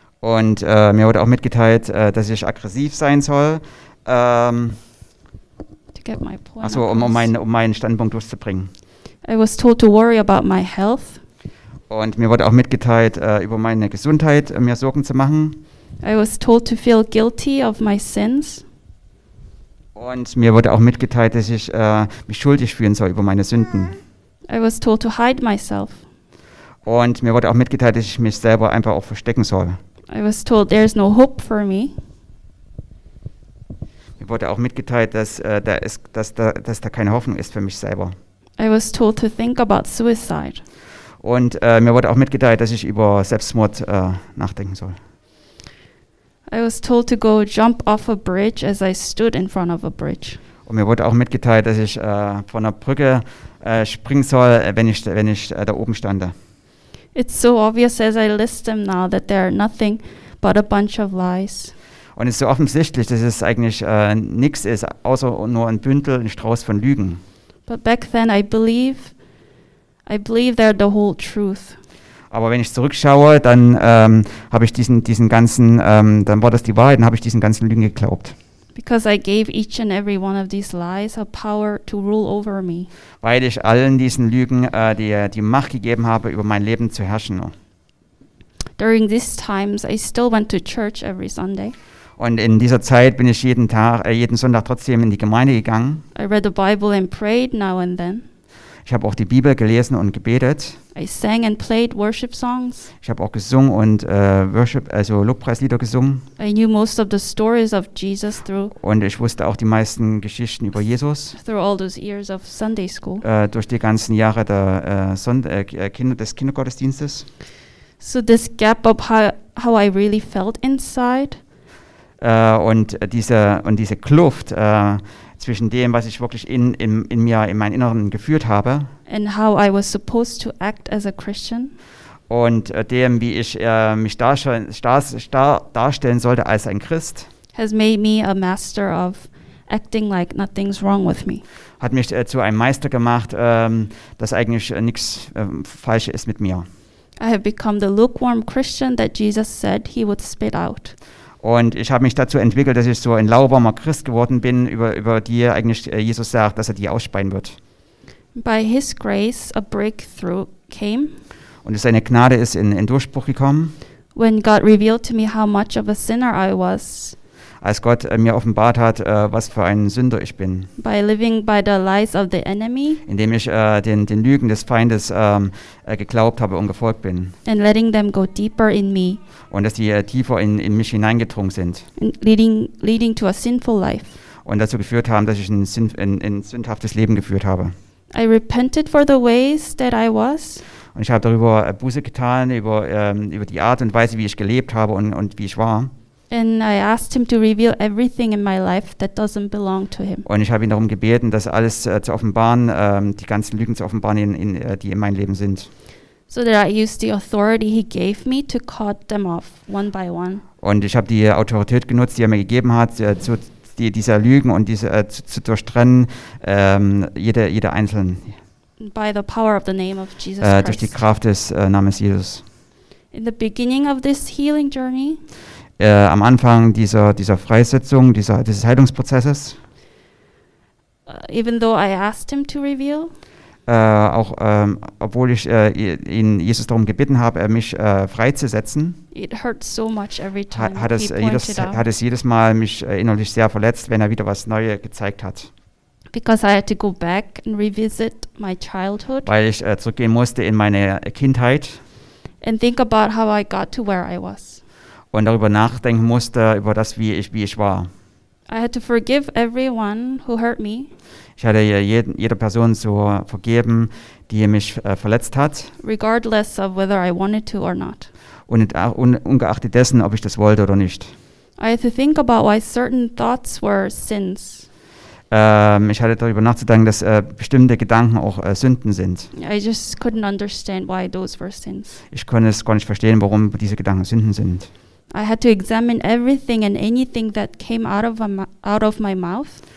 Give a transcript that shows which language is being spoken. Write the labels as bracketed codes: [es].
[de] Und mir wurde auch mitgeteilt, dass ich aggressiv sein soll, um meinen Standpunkt durchzubringen. [en] I was told to worry about my health. [de] Und mir wurde auch mitgeteilt, über meine Gesundheit mir Sorgen zu machen. [en] I was told to feel guilty of my sins. [de] Und mir wurde auch mitgeteilt, dass ich mich schuldig fühlen soll über meine Sünden. [en] I was told to hide myself. [de] Und mir wurde auch mitgeteilt, dass ich mich selber einfach auch verstecken soll. [en] I was told there is no hope for me. [de] Mir wurde auch mitgeteilt, dass da keine Hoffnung ist für mich selber. [en] I was told to think about suicide. [de] Und mir wurde auch mitgeteilt, dass ich über Selbstmord nachdenken soll. [en] I was told to go jump off a bridge as I stood in front of a bridge. [de] Und mir wurde auch mitgeteilt, dass ich von einer Brücke springen soll, wenn ich da oben stande. [en] It's so obvious as I list them now that they are nothing but a bunch of lies. [de] Und es ist so offensichtlich, dass es eigentlich nichts ist, außer nur ein Bündel, ein Strauß von Lügen. [en] But back then I believe they're the whole truth. [de] Aber wenn ich zurückschaue, dann habe ich diesen ganzen, dann war das die Wahrheit, dann habe ich diesen ganzen Lügen geglaubt. [en] Because I gave each and every one of these lies a power to rule over me. [de] Weil ich allen diesen Lügen die Macht gegeben habe, über mein Leben zu herrschen. [en] During these times, I still went to church every Sunday. [de] Und in dieser Zeit bin ich jeden Sonntag trotzdem in die Gemeinde gegangen. [en] I read the Bible and prayed now and then. [de] Ich habe auch die Bibel gelesen und gebetet. [en] I sang and played worship songs. [de] Ich habe auch gesungen und Lobpreislieder gesungen. [en] I knew most of the stories of Jesus through. [de] Und ich wusste auch die meisten Geschichten über Jesus. [en] Through all those years of Sunday school. [de] Durch die ganzen Jahre der des Kindergottesdienstes. [en] So this gap of how I really felt inside. [de] Und diese Kluft zwischen dem, was ich wirklich in meinem Inneren geführt habe, [en] and how I was supposed to act as a Christian, [de] und dem, wie ich mich darstellen sollte als ein Christ, [en] has made me a master of acting like nothing's wrong with me. [de] Hat mich zu einem Meister gemacht, dass eigentlich nichts falsch ist mit mir. [en] I have become the lukewarm Christian that Jesus said he would spit out. [de] Und ich habe mich dazu entwickelt, dass ich so ein lauwarmer Christ geworden bin, über die eigentlich Jesus sagt, dass er die ausspeien wird. [en] By his grace a breakthrough came. [de] Und seine Gnade ist in Durchbruch gekommen. [en] When God revealed to me how much of a sinner I was. [de] Als Gott mir offenbart hat, was für ein Sünder ich bin. [en] By living by the lies of the enemy. [de] Indem ich den Lügen des Feindes geglaubt habe und gefolgt bin. [en] And letting them go deeper in me. [de] Und dass die tiefer in mich hineingedrungen sind. [en] Leading to a sinful life. [de] Und dazu geführt haben, dass ich ein sündhaftes Leben geführt habe. [en] I repented for the ways that I was. [de] Und ich habe darüber Buße getan, über die Art und Weise, wie ich gelebt habe und wie ich war. [en] And I asked him to reveal everything in my life that doesn't belong to him. [de] Und ich habe ihn darum gebeten, das alles zu offenbaren, die ganzen Lügen zu offenbaren, die in meinem Leben sind. [en] So that I used the authority he gave me to cut them off one by one. [de] Und ich habe die Autorität genutzt, die er mir gegeben hat, dieser Lügen und diese zu durchtrennen, jede einzelne. [en] By the power of the name of Jesus [de] Christ. Durch die Kraft des Namens Jesus. [en] In the beginning of this healing journey. [de] Am Anfang dieser Freisetzung, dieses Heilungsprozesses. [en] Even though I asked him to reveal. [de] Obwohl ich ihn Jesus darum gebeten habe, mich freizusetzen, hat es jedes Mal mich innerlich sehr verletzt, wenn er wieder was Neues gezeigt hat. [en] Because I had to go back and revisit my childhood. [de] Weil ich zurückgehen musste in meine Kindheit. [en] And think about how I got to where I was. [de] Und darüber nachdenken musste, über das, wie ich war. [en] I had to forgive everyone who hurt me. [de] Ich hatte jeder Person zu vergeben, die mich verletzt hat. [en] Regardless of whether I wanted to or not. [de] Und ungeachtet dessen, ob ich das wollte oder nicht. [en] I had to think about why certain thoughts were sins. [de] Ich hatte darüber nachzudenken, dass bestimmte Gedanken auch Sünden sind. [en] I just couldn't understand why those were sins. [de] Ich konnte es gar nicht verstehen, warum diese Gedanken Sünden sind. [en] I had to examine everything and anything that came out of my mouth.